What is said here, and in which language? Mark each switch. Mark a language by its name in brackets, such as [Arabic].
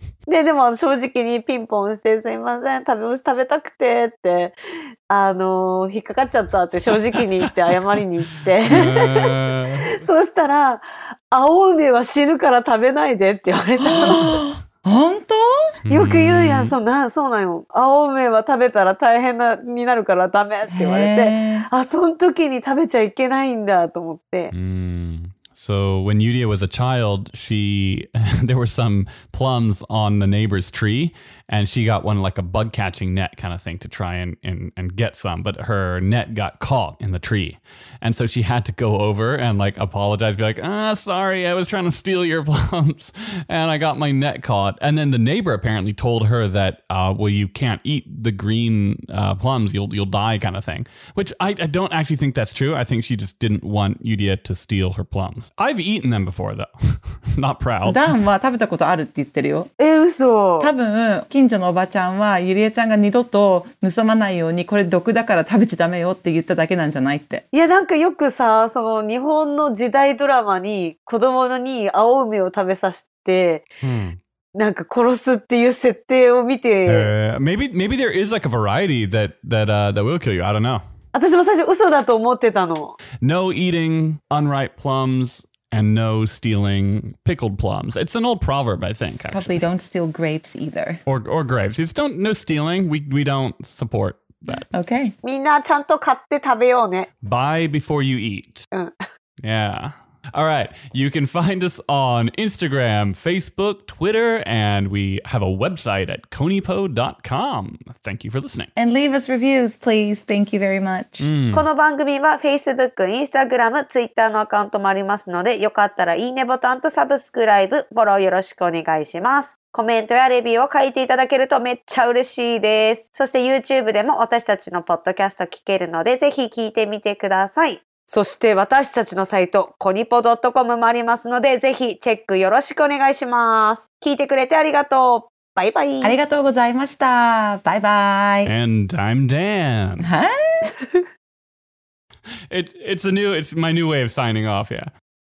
[Japanese] で、でも正直にピンポンして、すいません、食べ物食べたくてって、引っかかっちゃったって正直に言って謝りに行ってそうしたら、青梅は死ぬから食べないでって言われたの。本当？よく言うやん、そうなの。青梅は食べたら大変なになるからダメって言われて、あ、その時に食べちゃいけないんだと思って。うん、 [English] So when Yuria was a child, she there were some plums on the neighbor's tree, and she got one like a bug catching net kind of thing to try and get some. But her net got caught in the tree, and so she had to go over and like apologize, be like, "Ah, sorry, I was trying to steal your plums, and I got my net caught." And then the neighbor apparently told her that, "Well, you can't eat the green plums; you'll die," kind of thing. Which I don't actually think that's true. I think she just didn't want Yuria to steal her plums. I've eaten them before though. Not proud. [Japanese] ダンは食べたことあるって言ってるよ。え、嘘。多分近所のおばちゃんはユリエちゃんが二度と盗まないようにこれ毒だから食べちゃダメよって言っただけなんじゃないって。いやなんかよくさ、その日本の時代ドラマに子供に青梅を食べさせて、なんか殺すっていう設定を見て。 [English] Maybe there is like a variety that will kill you. I don't know. [Japanese] 私も最初嘘だと思ってたの。 [English] No eating unripe plums and no stealing pickled plums. It's an old proverb, I think. Probably、actually. Don't steal grapes either. Or grapes. It's don't no stealing. We don't support that. Okay. [Japanese] みんなちゃんと買って食べようね。 [English] Buy before you eat. Yeah. All right, you can find us on Instagram, Facebook, Twitter, and we have a website at konipo.com. Thank you for listening. And leave us reviews, please. Thank you very much. [Japanese] この番組は Facebook、Instagram、Twitter のアカウントもありますので、よかったらいいねボタンとサブスクライブ、フォローよろしくお願いします。コメントやレビューを書いていただけるとめっちゃ嬉しいです。そして YouTube でも私たちのポッドキャスト聞けるので、ぜひ聞いてみてください。そして私たちのサイト、コニポ .com もありますので、ぜひチェックよろしくお願いします。聞いてくれてありがとう。バイバイ。ありがとうございました。バイバイ。 [English] And I'm Dan. Huh? it's my new way of signing off, yeah.